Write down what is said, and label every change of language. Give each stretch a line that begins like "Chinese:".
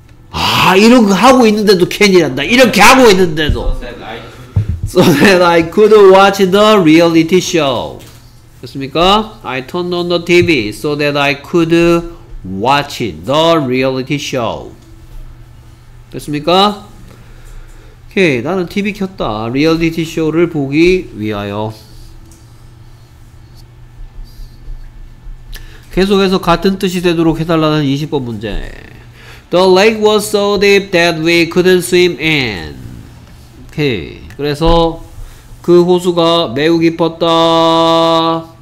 Korean: 아 이런 거 하고 있는데도 can이란다. 이렇게 하고 있는데도.
English: So that I could watch the reality show.
Korean: 됐습니까?
English: I turned on the TV so that I could watch the reality show.
Korean: 됐습니까? Okay, 나는 TV 켰다. Reality show를 보기 위하여. 계속해서 같은 뜻이 되도록 해달라는 20번 문제.
English: The lake was so deep that we couldn't swim in. Okay.
Korean: 그래서 그 호수가 매우 깊었다.